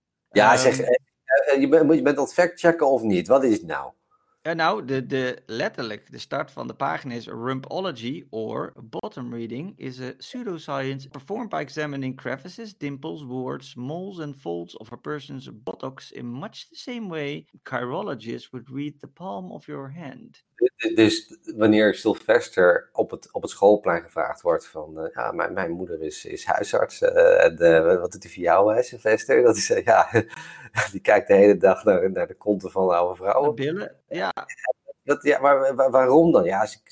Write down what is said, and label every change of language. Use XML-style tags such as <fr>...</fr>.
<nl>Ja, zeg, je bent dat fact-checken of niet? Wat is het nou? Nou, letterlijk, de start van de pagina is</nl> <en>Rumpology or bottom reading is a pseudoscience performed by examining crevices, dimples, warts, moles and folds of a person's buttocks in much the same way chirologists would read the palm of your hand.</en> <nl>Dus wanneer Sylvester op het schoolplein gevraagd wordt van, ja, mijn moeder is huisarts, en wat doet hij voor jou, hè, Sylvester? Dat is, ja, die kijkt de hele dag naar de konten van oude Naar vrouwen. billen, ja. Ja, maar waarom dan? Ja, ze</nl>